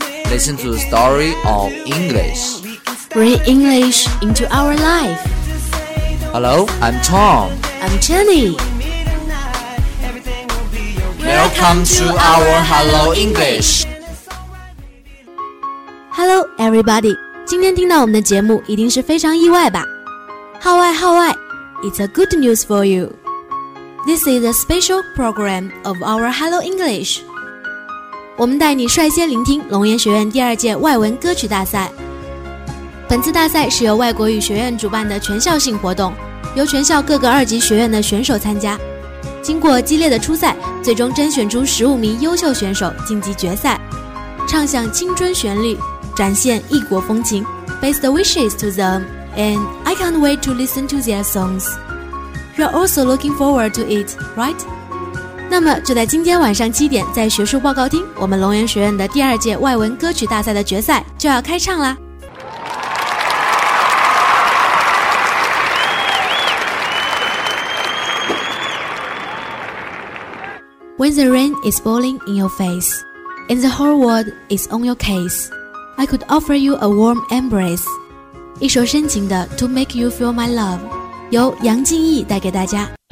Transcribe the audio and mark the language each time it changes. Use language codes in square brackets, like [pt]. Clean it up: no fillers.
[en] Listen to the story of English. Bring English into our life. Hello, I'm Tom. I'm Jenny. Welcome to our Hello English. Hello, everybody. [zh] 今天听到我们的节目一定是非常意外吧。号外号外， [en] it's a good news for you. This is a special program of our Hello English. [zh] 我们带你率先聆听龙岩学院第二届外文歌曲大赛。本次大赛是由外国语学院主办的全校性活动，由全校各个二级学院的选手参加。经过激烈的初赛，最终甄选出15名优秀选手晋级决赛，唱响青春旋律，展现异国风情。 [en] Best wishes to them, and I can't wait to listen to their songs. You're also looking forward to it, right? [zh] 那么就在今天晚上7点，在学术报告厅，我们龙岩学院的第二届外文歌曲大赛的决赛就要开唱啦。 [en] When the rain is falling in your face, and the whole world is on your case, I could offer you a warm embrace. [zh] 一首深情的 To Make You Feel My Love, 由杨静逸带给大家。